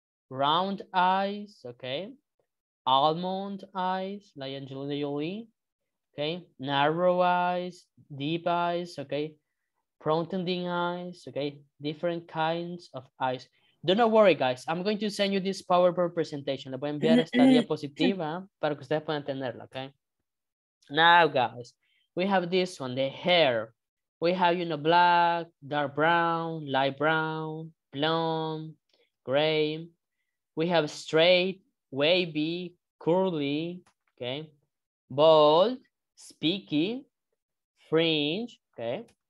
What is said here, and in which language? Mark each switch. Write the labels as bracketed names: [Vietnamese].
[English] Round eyes, okay? Almond eyes, like Angelina Jolie, okay? Narrow eyes, deep eyes, okay? Frontending eyes, okay? Different kinds of eyes. Do not worry, guys. I'm going to send you this PowerPoint presentation. [Spanish] Le voy a enviar esta diapositiva para que ustedes puedan tenerla, okay? [English] Now, guys, we have this one, the hair. We have, you know, black, dark brown, light brown, blonde, gray. We have straight, wavy, curly, okay? Bald, spiky, fringe, okay?